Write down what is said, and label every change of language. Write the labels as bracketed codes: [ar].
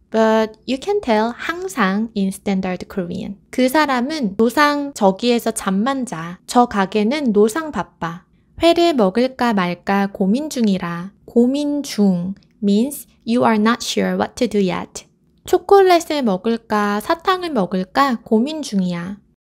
[en] But you can tell 항상 in standard Korean. [ko] 그 사람은 노상 저기에서 잠만 자. 저 가게는 노상 바빠. 회를 먹을까 말까 고민 중이라. [en] 고민 중 means you are not sure what to do yet. [ko] 초콜릿을 먹을까 사탕을 먹을까 고민 중이야.